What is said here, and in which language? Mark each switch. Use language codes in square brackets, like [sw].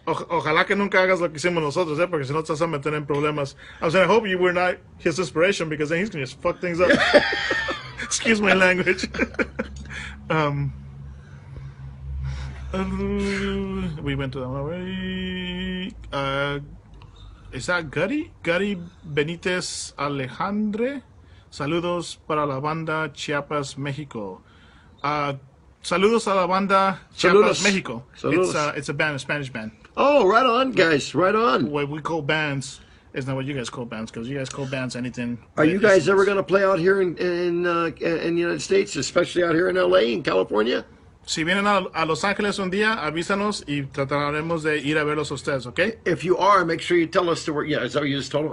[es] Ojalá que nunca hagas lo que hicimos nosotros, porque si no te vas a meter en problemas. [en] I was saying, I hope you were not his inspiration, because then he's going to just fuck things up. Excuse my language. We went to that one already. Is that Gary? [es] Gary Benitez Alejandre. Saludos para la banda Chiapas, México. Saludos a la banda Chiapas, saludos. México. Saludos. [en] It's a band, a Spanish band. Oh, right on, guys. Right on. What we call bands is not what you guys call bands, because you guys call bands anything. Are you guys ever going to play out here in the United States, especially out here in L.A., in California? [es] Si vienen a Los Ángeles un día, avísanos y trataremos de ir a verlos a ustedes, ¿ok? [en] If you are, make sure you tell us to where. Yeah, is that what you just told them?